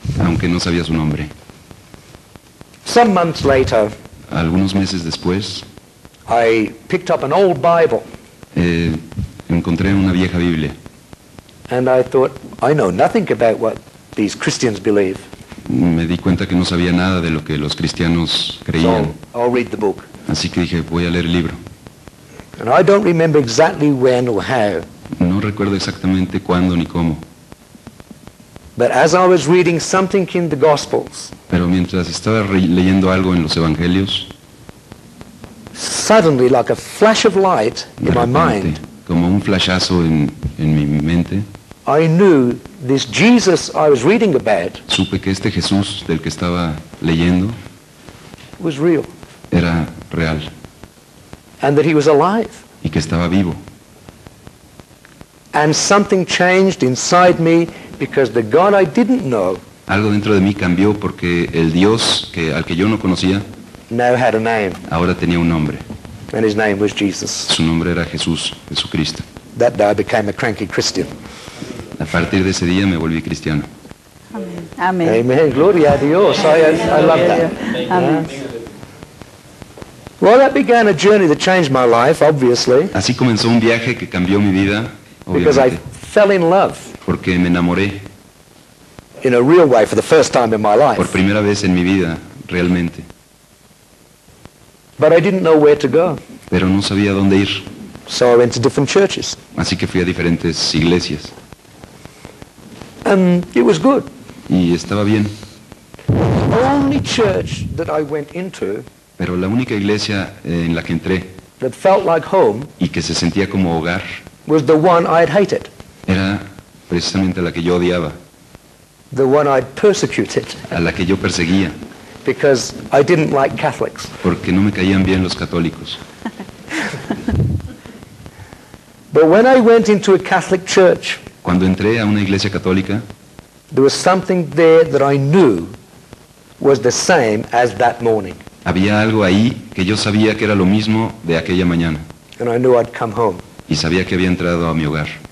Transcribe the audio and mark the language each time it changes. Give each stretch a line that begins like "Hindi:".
Spanish: Aunque no sabía su nombre.
English: Some months later,
Spanish: algunos meses después,
English: I picked up an old Bible.
Spanish: Encontré una vieja Biblia.
English: And I thought, I know nothing about what these Christians believe.
Spanish: Me di cuenta que no sabía nada de lo que los cristianos creían.
English: So, I'll read the book.
Spanish: Así que dije, voy a leer el libro.
English: And I don't remember exactly when or how.
Spanish: No recuerdo exactamente cuándo ni cómo.
English: But as I was reading something in the Gospels,
Spanish: pero mientras estaba leyendo algo en los Evangelios,
English: suddenly, like a flash of light in my mind,
Spanish: como un flashazo en mi mente,
English: I knew this Jesus I was reading about.
Spanish: Supe que este Jesús del que estaba leyendo
English: was real.
Spanish: Era real.
English: And that he was alive.
Spanish: Y que estaba vivo.
English: And something changed inside me because the God I didn't know.
Spanish: Algo dentro de mí cambió porque el Dios que al que yo no conocía
English: now had a name.
Spanish: Ahora tenía un nombre.
English: And his name was Jesus.
Spanish: Su nombre era Jesús, Jesucristo.
English: That day I became a cranky Christian.
Spanish: A partir de ese día me volví cristiano. Amén. Amén. Amén. Gloria a Dios.
English: I love that.
Spanish: Amén.
English: Well, that began a journey that changed my life, obviously.
Spanish: Así comenzó un viaje que cambió mi vida, obviamente.
English: Because I fell in love.
Spanish: Porque me enamoré.
English: In a real way, for the first time in my life.
Spanish: Por primera vez en mi vida, realmente.
English: But I didn't know where to go.
Spanish: Pero no sabía dónde ir.
English: So I went to different churches.
Spanish: Así que fui a diferentes iglesias.
English: And it was good.
Spanish: Y estaba bien.
English: The only church that I went into.
Spanish: Pero la única iglesia en la que entré
English: that felt like home,
Spanish: y que se sentía como hogar
English: was the one I'd hated.
Spanish: Era precisamente la que yo odiaba,
English: the one I'd persecuted,
Spanish: a la que yo perseguía,
English: because I didn't like Catholics.
Spanish: Porque no me caían bien los católicos.
English: But when I went into a Catholic church,
Spanish: cuando entré a una iglesia católica,
English: there was something there that I knew was the same as that morning.
Spanish: Había algo ahí que yo sabía que era lo mismo de aquella mañana.
English: And I knew I'd come home.
Spanish: Y sabía que había entrado a mi hogar.